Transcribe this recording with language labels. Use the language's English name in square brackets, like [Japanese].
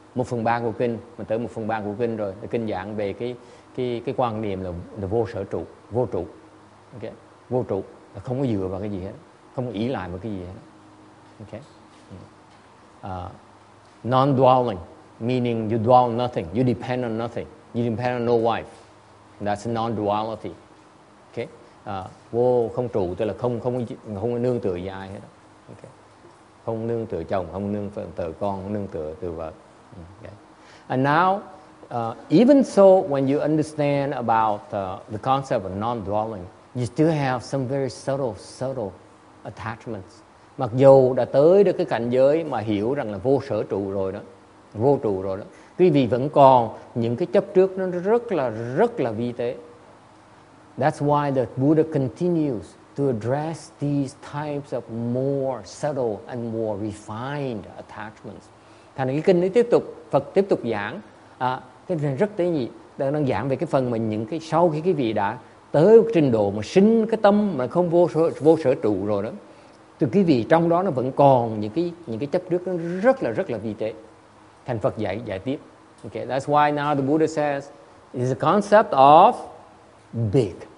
[Vietnamese] Một phần ba của kinh, mình tới một phần ba của kinh rồi. Kinh giảng về cái quan niệm là vô sở trụ, vô trụ, okay, vô trụ, là không có dựa vào cái gì hết, không có ý lại vào cái gì hết, okay. [English] Non-dwelling meaning you dwell on nothing, you depend on nothing, you depend on no wife. That's non-duality. Okay? [Vietnamese] Vô không trụ tức là không nương tựa gì ai hết. Okay? Không nương tựa chồng, không nương tựa con, không nương tựa từ vợ. [English] Okay? And now, even so, when you understand about the concept of non-dwelling, you still have some very subtle attachments. [Vietnamese] Mặc dù đã tới được cái cảnh giới mà hiểu rằng là vô sở trụ rồi đó, vô trụ rồi đó, quý vị vẫn còn những cái chấp trước nó rất là vi tế. [English] That's why the Buddha continues to address these types of more subtle and more refined attachments. [Vietnamese] Thành ra cái kinh này tiếp tục, Phật tiếp tục giảng cái này rất tế nhị, đang giảng về cái phần mà những cái sau khi quý vị đã tới trình độ mà sinh cái tâm mà không vô sở trụ rồi đó, thì quý vị trong đó nó vẫn còn những cái chấp trước nó rất là vi tế. Thành Phật giải tiếp. [English] Okay, that's why now the Buddha says it's a concept of big.